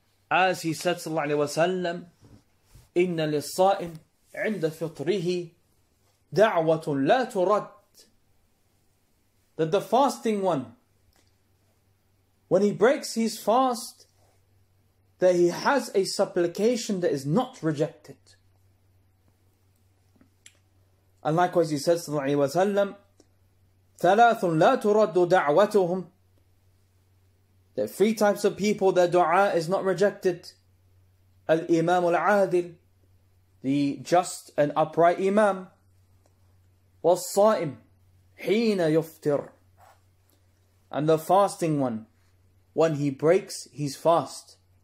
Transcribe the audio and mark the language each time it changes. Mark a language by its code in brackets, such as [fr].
[en] As he said [ar] sallallahu alayhi wa sallam, إِنَّ لِلصَّائِمْ عِنْدَ فِطْرِهِ دَعْوَةٌ لَا تُرَدْ. [en] That the fasting one, when he breaks his fast, that he has a supplication that is not rejected. And likewise, he says, [ar] صلى الله عليه وسلم, ثلاث لا ترد دعوتهم. [en] That three types of people, their dua is not rejected. [ar] الإمام العادل, [en] the just and upright imam. [ar] والصائم, حين يفطر. [en] And the fasting one, when he breaks his fast.